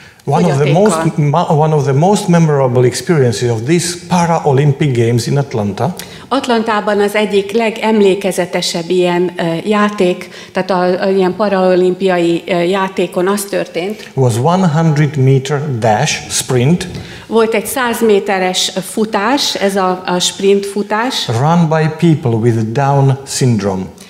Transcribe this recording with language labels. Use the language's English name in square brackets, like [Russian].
[English] One of the most memorable experiences of these Paralympic Games in Atlanta. [Hungarian] Atlantában az egyik legemlékezetesebb ilyen játék, tehát ilyen paraolimpiai játékon az történt. [English] Was 100 meter dash sprint. [Hungarian] Volt egy 100 méteres futás, ez a sprint futás. [English] Run by people with Down syndrome.